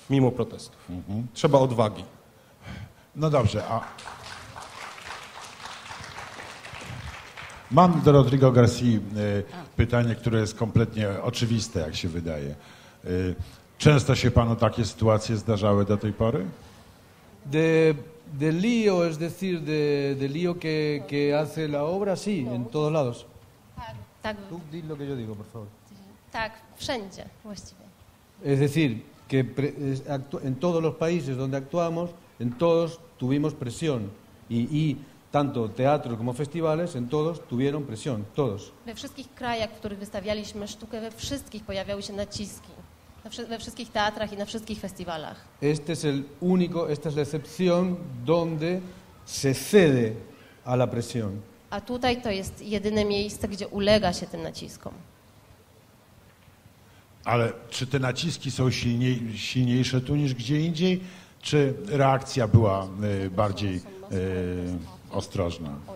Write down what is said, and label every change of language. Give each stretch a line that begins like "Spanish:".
Polish: Mimo protestów. Mhm. Trzeba odwagi. No dobrze, a... Mam do Rodrigo Garcia pytanie, które jest kompletnie oczywiste, jak się wydaje. Często się panu takie sytuacje zdarzały do tej pory?
Spanish: De lío, es decir, de lío que hace la obra, sí, en todos lados.
Polish: Tak.
Spanish: Tú di lo que yo digo, por favor.
Polish: Tak, wszędzie, właściwie.
Spanish: Es decir, que en todos los países donde actuamos, en todos tuvimos presión y tanto teatro como festivales, en todos tuvieron presión, todos.
Polish: We wszystkich krajach, w których wystawialiśmy sztukę, we wszystkich pojawiały się naciski. We wszystkich teatrach i na wszystkich festiwalach.
Spanish: Este es el único, esta es la excepción donde se cede a la presión.
Polish: A tutaj to jest jedyne miejsce, gdzie ulega się tym naciskom. Ale czy te naciski są silniejsze tu niż gdzie indziej, czy reakcja była bardziej ostrożna?